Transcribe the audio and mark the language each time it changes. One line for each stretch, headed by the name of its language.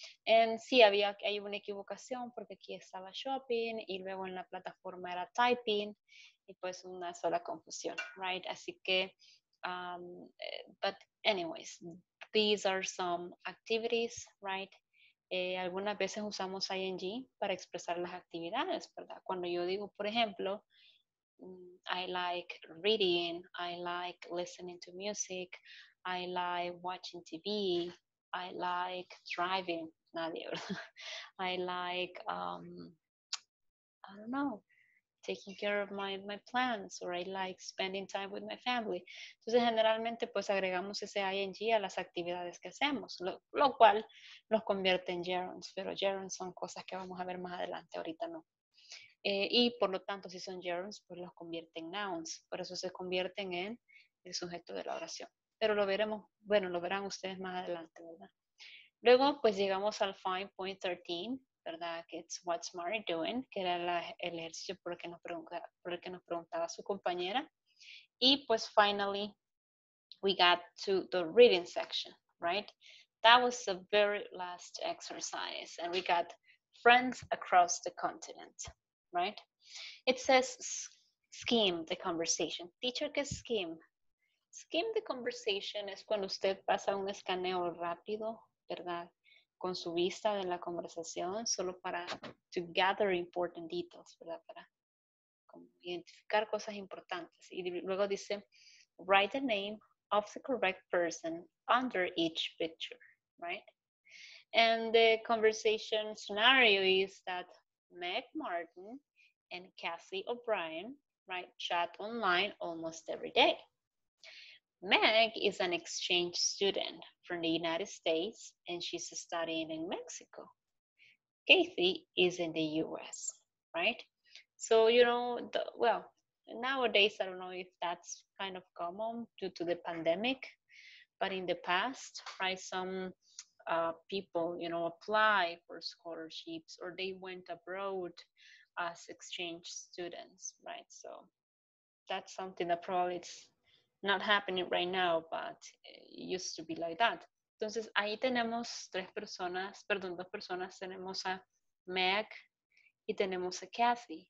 Spanish: And sí, había hay una equivocación porque aquí estaba shopping y luego en la plataforma era typing. Y pues una sola confusión,
English: right?
Spanish: Así que,
English: but anyways, these are some activities, right?
Spanish: Algunas veces usamos ing para expresar las actividades, ¿verdad? Cuando yo digo, por ejemplo,
English: I like reading, I like listening to music, I like watching TV, I like driving,
Spanish: nadie, ¿verdad?
English: I like, I don't know, taking care of my plants, or I like spending time with my family.
Spanish: Entonces, generalmente, pues, agregamos ese ing a las actividades que hacemos, lo cual nos convierte en gerunds, pero gerunds son cosas que vamos a ver más adelante, ahorita no. Y, por lo tanto, si son gerunds, pues, los convierte en nouns, por eso se convierten en el sujeto de la oración. Pero lo veremos, bueno, lo verán ustedes más adelante, ¿verdad? Luego, pues, llegamos al 5.13, ¿verdad? Que es What's Mary Doing, que era el ejercicio por el que nos preguntaba su compañera. Y pues
English: finally, we got to the reading section, right? That was the very last exercise. And we got friends across the continent, right? It says skim the conversation. Teacher,
Spanish: ¿qué es skim? Skim the conversation es cuando usted pasa un escaneo rápido, ¿verdad? Con su vista de la conversación, solo para
English: to gather important details,
Spanish: ¿verdad? Para como identificar cosas importantes. Y luego dice,
English: write the name of the correct person under each picture, right? And the conversation scenario is that Meg Martin and Cassie O'Brien, right, chat online almost every day. Meg is an exchange student from the United States and she's studying in Mexico. Kathy is in the US, right? So, you know, well, nowadays, I don't know if that's kind of common due to the pandemic, but in the past, right, some people, you know, apply for scholarships or they went abroad as exchange students, right? So that's something that probably it's not happening right now, but it used to be like that.
Spanish: Entonces, ahí tenemos dos personas, tenemos a Meg y tenemos a Kathy.